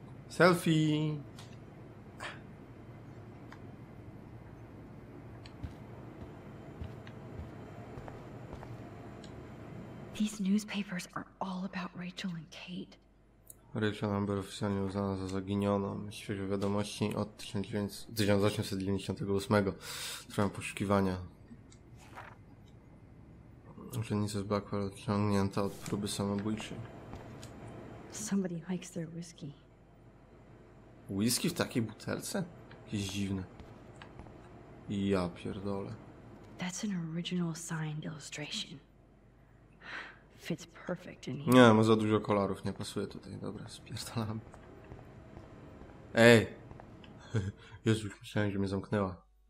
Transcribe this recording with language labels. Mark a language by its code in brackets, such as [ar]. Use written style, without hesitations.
[en] Selfie! These newspapers are all about Rachel and Kate. [pl] Rachel Amber oficjalnie uznana za zaginioną. Świeże wiadomości od 1898. Trwają poszukiwania. Urzędnica z Blackwell odciągnięta od próby samobójczej. [en] Somebody likes their whiskey. [pl] Whisky w takiej butelce? Jest dziwne. Ja pierdolę. [en] That's an original signed illustration. Fits perfect in here. [pl] Nie, ma za dużo kolorów, nie pasuje tutaj. Dobra, spierdolam. Ej! Jezu, myślałem, że mnie zamknęła.